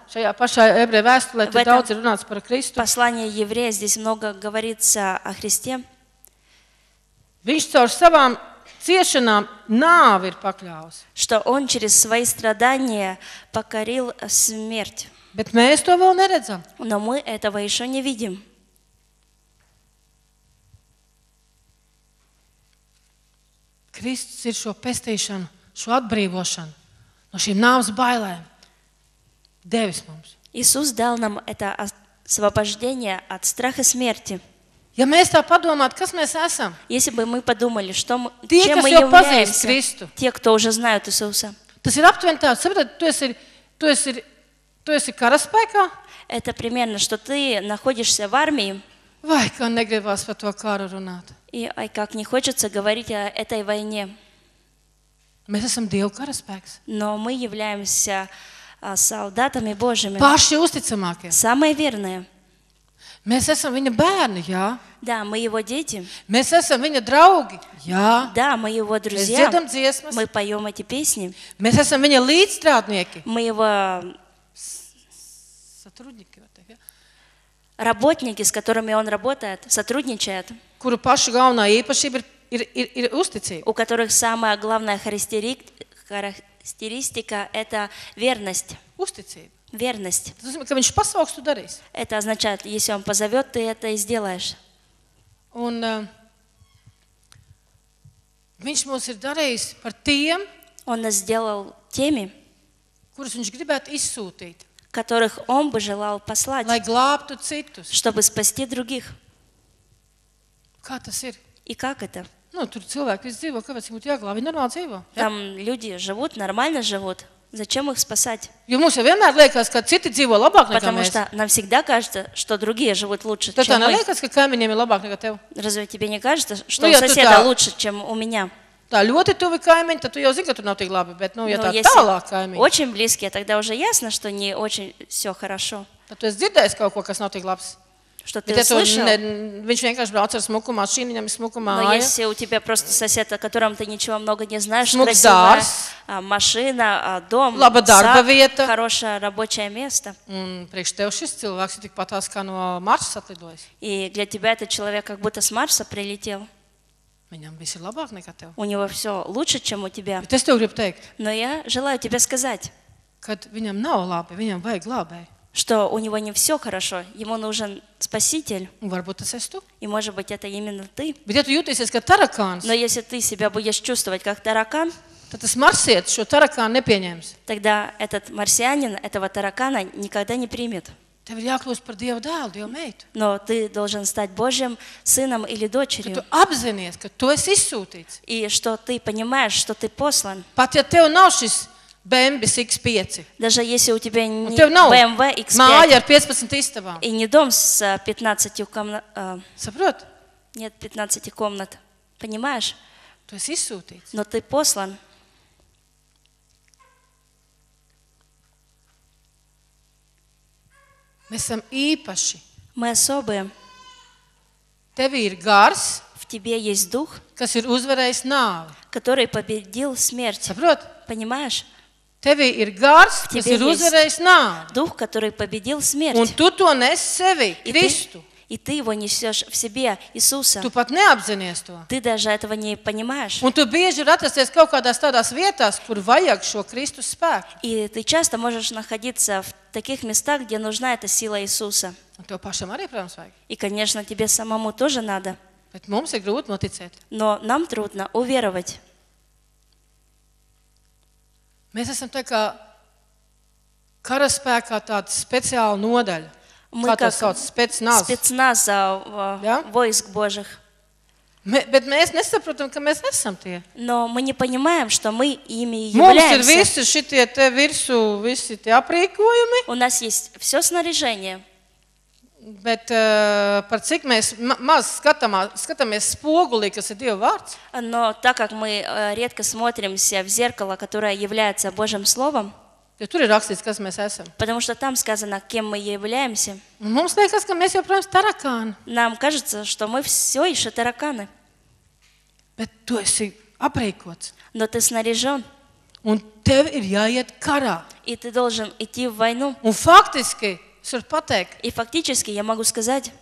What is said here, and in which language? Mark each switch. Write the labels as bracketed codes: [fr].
[lv] Šajā pašā ebreju vēstulē tik daudz ir runāts par Kristu. [ru] Послание евреев здесь много говорится о Христе. [lv] Viņš caur savām ciešanām nāvi ir pakļāvs. [ru] Что он через свои страдания покорил смерть. [lv] Bet mēs to vēl neredzam. [ru] Но мы этого ещё не видим. [lv] Kristus ir šo pestīšanu, šo atbrīvošanu no šīm nāves bailēm devis mums. [ru] Иисус дал нам это освобождение от страха смерти. [lv] Ja mēs tā padomāt, kas mēs esam? [ru] Если бы мы подумали, что мы, [lv] tie, [ru] чем мы являемся. Те, кто уже знают Иисуса. [lv] Tas ir aptuveni tā, saprat, tu esi karaspēkā? [ru] Это примерно, что ты находишься в армии. [lv] Vai, kā negribas par to karu runāt. [ru] И ай, как не хочется говорить о этой войне. [lv] Mēs esam Dieva karaspēks. [ru] Но мы являемся солдатами Божьими. [lv] Paši uzticamākie. [ru] Самые верные. [lv] Mēs esam viņa bērni, jā. [ru] Да, мы его дети. Мы [lv] esam viņa draugi, jā. [ru] Да, мы его друзья. [lv] Mēs dziedam dziesmas. [ru] Мы поём эти песни. [lv] Mēs esam viņa līdzstrādnieki. [ru] Мы его сотрудники вот так, работники, с которыми он работает, сотрудничает. [lv] Kuru paša galvenā īpašība ir uzticība. [ru] У которых самая главная характеристика это верность. [lv] Uzticība. [ru] Верность. [lv] Tas nozīmē, ka viņš pasauks, tu darīs. [ru] Это означает, если он позовёт, ты это и сделаешь. [lv] Un viņš mums ir darījis par tiem, [ru] он нас сделал теми, [lv] kurus viņš gribētu izsūtīt, [ru] которых он бы желал послать, [lv] lai glābtu citus, [ru] чтобы спасти других. [lv] Kā tas ir? [ru] И как это? Ну, [lv] tur cilvēki visi dzīvo, kāpēc viņam būtu jāglābi, viņi normāli dzīvo. [ru] Там люди живут, нормально живут. Зачем их спасать? [lv] Jo mums vienmēr liekas, ka citi dzīvo labāk nekā mēs. [ru] Потому что нам всегда кажется, что другие живут лучше, чем мы. [lv] Tad tā neliekas, ka kaimiņiem ir labāk nekā tev? [ru] Разве тебе не кажется, что у соседа лучше, чем у меня? [lv] Tā ļoti tuvi kaimiņi, tad tu jau zini, ka tur nav tik labi, bet, nu, ja tā tālāk kaimiņi. [ru] Очень близкие, тогда уже ясно, что не очень всё хорошо. [lv] Tad tu esi dzirdējis kaut ko, kas nav tik labs. [ru] Что ты слышал? [lv] Viņš vienkārši brauc ar smuku mašīnu, viņam ir smuka māja. [ru] Но если у тебя просто сосед, о котором ты ничего много не знаешь, смук красивая дарс, машина, дом, [lv] laba darba vieta, [ru] хорошее рабочее место. [lv] Un priekš tev šis cilvēks ir tik patās, kā no Marsa atlidojis. [ru] И для тебя этот человек как будто с Марса прилетел. [lv] Viņam viss ir labāk nekā tev. [ru] У него все лучше, чем у тебя. [lv] Bet es tev gribu teikt. [ru] Но я желаю тебе сказать. [lv] Kad viņam nav labi, viņam vajag glābēji. [ru] Что у него не все хорошо, ему нужен спаситель. [lv] Varbūt tas esi tu. [ru] И может быть это именно ты. [lv] Bet ja tu jūtiesies kā tarakāns. [ru] Но если ты себя будешь чувствовать как таракан. [lv] Tad tas [ru] марсиец [lv] šo tarakānu nepieņems. [ru] Тогда этот марсианин этого таракана никогда не примет. [lv] Tev ir jākļūst par Dievu dēlu, Dievu meitu. [ru] Но ты должен стать Божьим сыном или дочерью. [lv] Tu apzinies, ka tu esi izsūtīts. [ru] И что ты понимаешь, что ты послан. [lv] Pat ja tev nav šis BMW X5. [ru] Даже если у тебя не у тебя BMW X5. [lv] Māja ar 15 istabām. [ru] И не дом с 15 комнат. [lv] Saprot? [ru] Нет, 15 комнат. Понимаешь? [lv] Tu esi izsūtīts. [ru] Но ты послан. [lv] Mēs esam īpaši. [ru] Мы особые. [lv] Tevi ir gars. [ru] В тебе есть дух. [lv] Kas ir uzvarējis nāvi. [ru] Который победил смерть. [lv] Saprot? [ru] Понимаешь? [lv] Tevi ir gars, kas ir uzvarējis nāvi. [ru] Дух, который победил смерть. [lv] Un tu to nesi sevi, Kristu. [ru] И ты его несешь в себе, Иисуса. [lv] Tu pat neapzinies to. [ru] Ты даже этого не понимаешь. [lv] Un tu bieži atrasties kaut kādās tādās vietās, kur vajag šo Kristus spēku. [ru] И ты часто можешь находиться в таких местах, где нужна эта сила Иисуса. [lv] Un tev pašam arī, protams, vajag. [ru] И, конечно, тебе самому тоже надо. [lv] Bet mums ir grūti noticēt. [ru] Но нам трудно уверовать. [lv] Mēs esam tā kā karaspēkā tāda speciāla nodaļa. [ru] Мы как спецназ войск Божьих. [lv] Bet mēs nesaprotam, ka mēs esam tie. [ru] Но мы не понимаем, что мы ими являемся. [lv] Mums ir visi šitie te virsū, visi tie aprīkojumi. [ru] У нас есть всё снаряжение. [lv] Bet par cik mēs maz skatāmies spogulī, kas ir Dieva vārds? [ru] Но так как мы редко смотримся в зеркало, которое является Божьим словом. [lv] Ja tur ir rakstīts, kas mēs esam. [ru] Потому что там сказано, кем мы являемся. [lv] Mums liekas, ka mēs joprojām tarakāni. [ru] Нам кажется, что мы все еще тараканы. [lv] Bet tu esi aprīkots. [ru] Но ты снаряжен. [lv] Un tev ir jāiet karā. [ru] И ты должен идти в войну. [lv] Un faktiski, es varu pateikt. [ru] И фактически, я могу сказать.